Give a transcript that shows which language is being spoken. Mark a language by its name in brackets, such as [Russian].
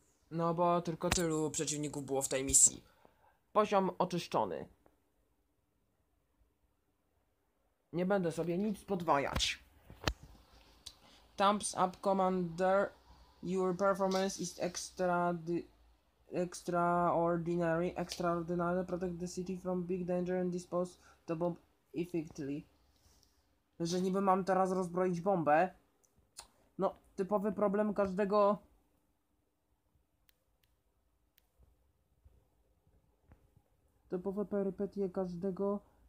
[Polish] No bo tylko tylu przeciwników było w tej misji. Poziom oczyszczony. Nie będę sobie nic podwajać. [English] Thumbs up, commander. Your performance is extra... Extraordinary, protect the city from big danger and dispose the bomb effectively. [Polish] Że niby mam teraz rozbroić bombę. No, typowy problem każdego... Typowe perypetie każdego...